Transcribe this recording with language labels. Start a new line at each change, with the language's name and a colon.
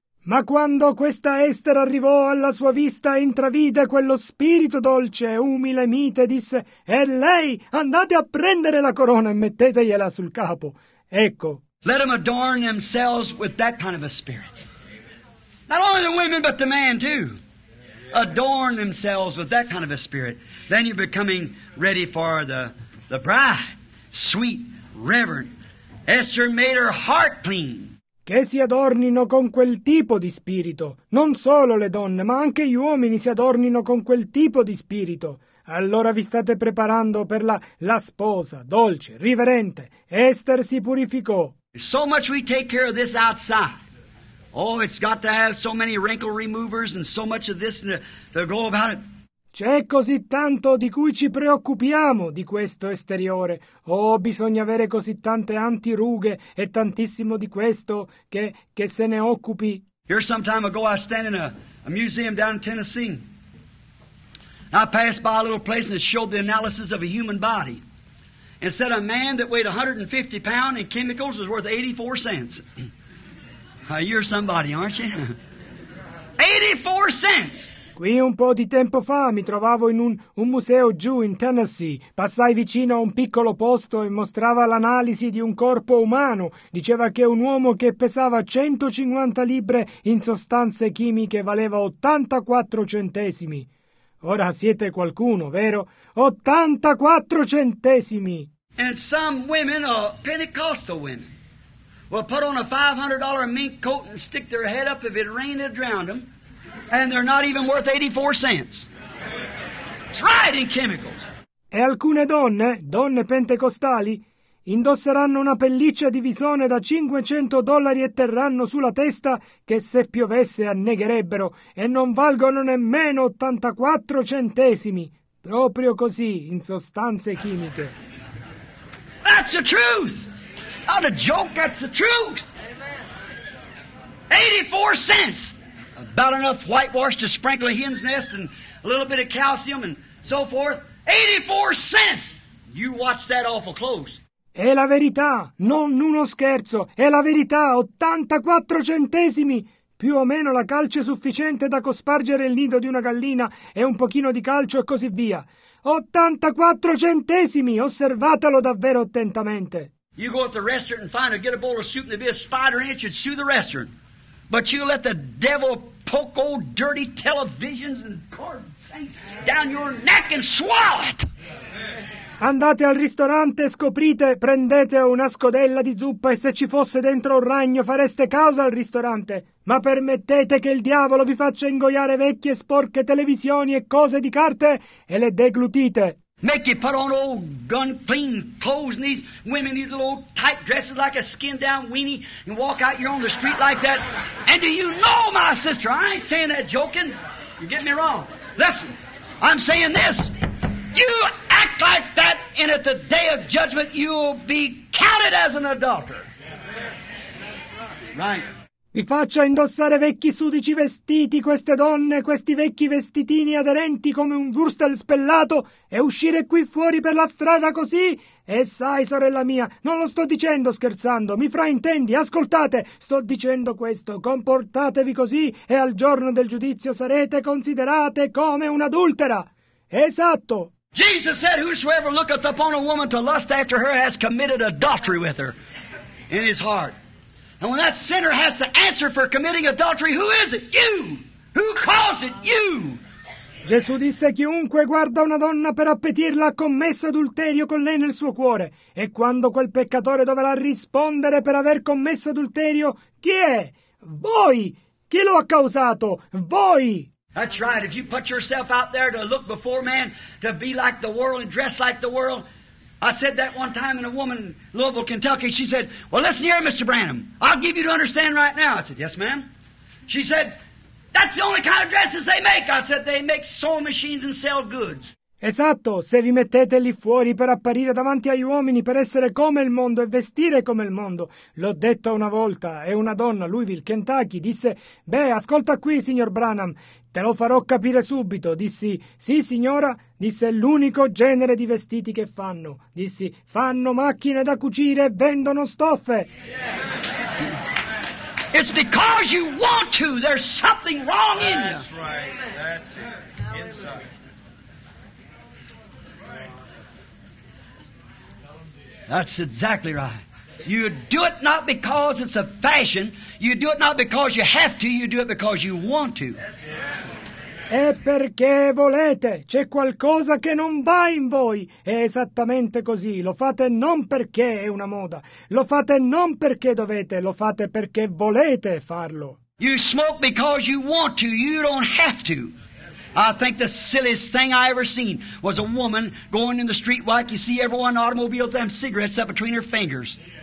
Italian: Ma quando questa Esther arrivò alla sua vista e intravide quello spirito dolce e umile, mite, disse: "È lei! Andate a prendere la corona e mettetegliela sul capo." Ecco.
English: Let them adorn themselves with that kind of a spirit. Not only the women, but the man too. Adorn themselves with that kind of a spirit. Then you're becoming ready for the bride. Sweet, reverent. Esther made her heart clean.
Italian: Che si adornino con quel tipo di spirito. Non solo le donne, ma anche gli uomini si adornino con quel tipo di spirito. Allora vi state preparando per la sposa, dolce, riverente. Esther si purificò.
English: So much we take care of this outside. Oh, it's got to have so many wrinkle removers and so much of this to go about it.
Italian: C'è così tanto di cui ci preoccupiamo di questo esteriore. Oh, bisogna avere così tante antirughe e tantissimo di questo che se ne occupi.
English: Here some time ago I stand in a museum down in Tennessee. I passed by a little place and it showed the analysis of a human body. It said a man that weighed 150 pounds in chemicals was worth 84 cents. You're somebody, aren't you? 84 cents!
Italian: Qui un po' di tempo fa mi trovavo in un museo giù in Tennessee. Passai vicino a un piccolo posto e mostrava l'analisi di un corpo umano. Diceva che un uomo che pesava 150 libbre in sostanze chimiche valeva 84 centesimi. Ora siete qualcuno, vero? 84 centesimi!
English: And some women, Pentecostal women, will put on a $500 mink coat and stick their head up if it rained and drowned them. And they're not even worth 84 cents. Tried in chemicals.
Italian: E alcune donne pentecostali, indosseranno una pelliccia di visone da $500 e terranno sulla testa che se piovesse annegherebbero e non valgono nemmeno 84 centesimi. Proprio così, in sostanze chimiche.
English: That's the truth. Not a joke, that's the truth. 84 cents. About enough whitewash to sprinkle a hen's nest and a little bit of calcium and so forth. 84 cents! You watch that awful close.
Italian: È la verità, non uno scherzo. È la verità, 84 centesimi! Più o meno la calce sufficiente da cospargere il nido di una gallina e un pochino di calcio e così via. 84 centesimi! Osservatelo davvero attentamente.
English: You go at the restaurant and find a get a bowl of soup and there'd be a spider in it, you'd sue the restaurant. But you let the devil poke old dirty televisions and cord things down your neck and swallow it.
Italian: Andate al ristorante, scoprite, prendete una scodella di zuppa e se ci fosse dentro un ragno fareste causa al ristorante. Ma permettete che il diavolo vi faccia ingoiare vecchie sporche televisioni e cose di carte e le deglutite.
English: Make you put on old gun clean clothes and these women, these little old tight dresses like a skinned down weenie and walk out here on the street like that. And do you know, my sister, I ain't saying that joking. You get me wrong. Listen, I'm saying this. You act like that, and at the day of judgment, you'll be counted as an adulterer. Right.
Italian: Vi faccia indossare vecchi sudici vestiti, queste donne, questi vecchi vestitini aderenti come un wurstel spellato, e uscire qui fuori per la strada così? E sai, sorella mia, non lo sto dicendo scherzando, mi fraintendi, ascoltate, sto dicendo questo, comportatevi così, e al giorno del giudizio sarete considerate come un'adultera. Esatto.
English: Jesus said, whosoever looketh upon a woman to lust after her has committed adultery with her in his heart. And when that sinner has to answer for committing adultery, who is it? You! Who caused it? You!
Italian: Gesù disse, chiunque guarda una donna per appetirla ha commesso adulterio con lei nel suo cuore. E quando quel peccatore dovrà rispondere per aver commesso adulterio, chi è? Voi! Chi lo ha causato? Voi!
English: That's right. If you put yourself out there to look before man, to be like the world and dress like the world. I said that one time in a woman in Louisville, Kentucky. She said, well, listen here, Mr. Branham. I'll give you to understand right now. I said, yes, ma'am. She said, that's the only kind of dresses they make. I said, they make sewing machines and sell goods.
Italian: Esatto, se vi mettete lì fuori per apparire davanti agli uomini, per essere come il mondo e vestire come il mondo. L'ho detto una volta, e una donna, Louisville, Kentucky, disse, beh, ascolta qui, signor Branham, te lo farò capire subito. Dissi, sì, signora, disse, l'unico genere di vestiti che fanno. Dissi, fanno macchine da cucire e vendono stoffe.
English: It's because you want to, there's something wrong in you. That's right, that's it, inside. That's exactly right. You do it not because it's a fashion. You do it not because you have to. You do it because you want to.
Italian: E perché volete. C'è qualcosa che non va in voi. È esattamente così. Lo fate non perché è una moda. Lo fate non perché dovete. Lo fate perché volete farlo.
English: You smoke because you want to. You don't have to. I think the silliest thing I ever seen was a woman going in the street like you see everyone in automobile with them cigarettes up between her fingers.